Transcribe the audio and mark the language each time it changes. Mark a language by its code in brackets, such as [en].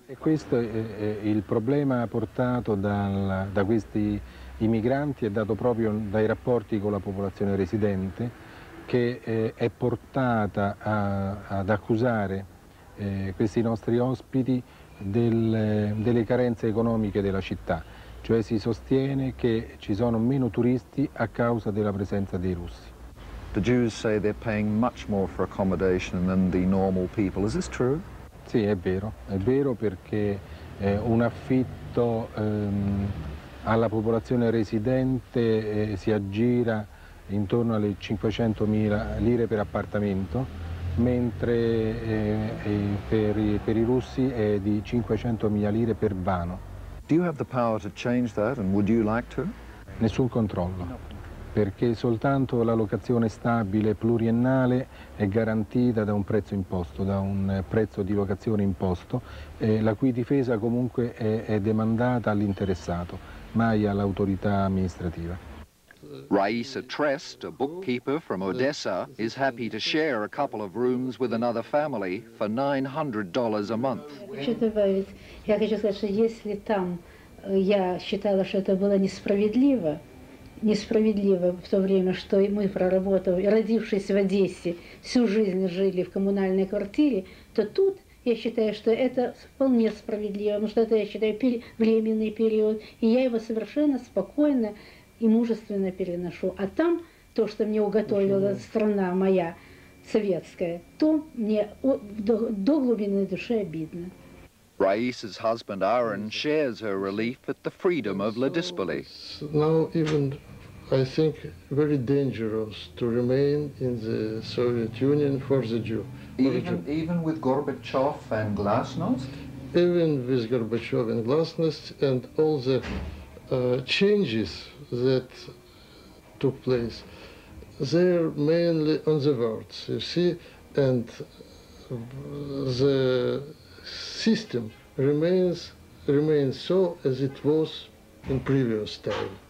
[it] E questo è il problema portato da questi immigranti è dato proprio dai rapporti con la popolazione residente che è portata ad accusare questi nostri ospiti delle carenze economiche della città, cioè si sostiene che ci sono meno turisti a causa della presenza dei russi. [en] The Jews say they're paying much more for accommodation than the normal people. Is this true? [it] Sì, è vero perché un affitto alla popolazione residente si aggira intorno alle 500.000 lire per appartamento, mentre per i russi è di 500.000 lire per vano. [en] Do you have the power to change that and would you like to? [it] Nessun controllo. Perché soltanto la locazione stabile pluriennale è garantita da un prezzo imposto, da un prezzo di locazione imposto, la cui difesa comunque è demandata all'interessato, mai all'autorità amministrativa. [en] Raisa Trest, a bookkeeper from Odessa, is happy to share a couple of rooms with another family for $900 a month. [ru] Я хочу сказать, что если там я считала, что это было несправедливо, несправедливо в то время, что мы проработали, родившись в Одессе, всю жизнь жили в коммунальной квартире, то тут я считаю, что это вполне справедливо, потому что это, я считаю, временный период, и я его совершенно спокойно и мужественно переношу. А там то, что мне уготовила страна моя советская, то мне до глубины души обидно. [en] Raisa's husband Aaron shares her relief at the freedom of Ladispoli. Now even I think very dangerous to remain in the Soviet Union for the Jew. Even with Gorbachev and Glasnost? Even with Gorbachev and Glasnost and all the changes that took place, they're mainly on the words, you see, and the system remains so as it was in previous time.